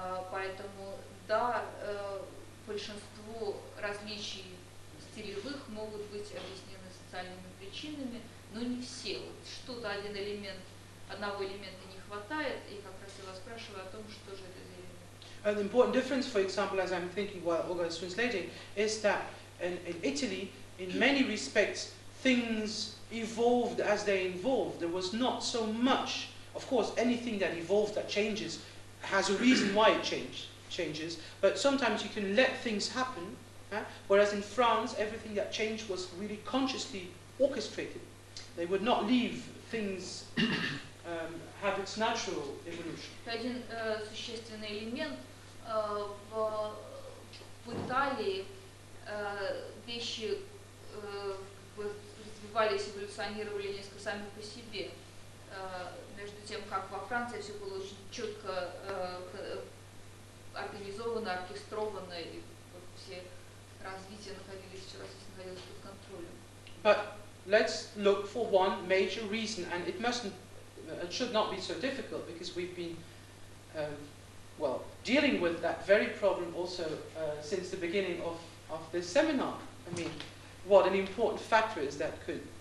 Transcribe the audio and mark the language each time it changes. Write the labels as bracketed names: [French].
[Russian] Поэтому, да, большинство различий стилевых могут быть объяснены социальными причинами, но не все. Вот что-то, один элемент, одного элемента не хватает, и как раз я вас спрашиваю о том, что же это за элемент. [English] An important difference, for example, as I'm thinking while Olga is translating, is that in Italy, in many respects, things evolved as they evolved. There was not so much, of course, anything that evolved that changes has a reason why it changes, but sometimes you can let things happen, whereas in France, everything that changed was really consciously orchestrated. They would not leave things have its natural evolution. [Russian] Один существенный элемент в Италии вещи развивались, эволюционировали несколько сами по себе, между тем, как во Франции все было очень четко организовано, оркестровано, и вот все развития находились, все развитие находилось под контролем. [English] But let's look for one major reason, and it mustn't, it should not be so difficult, because we've been dealing with that very problem also since the beginning of this seminar. I mean, what an important factor is that could...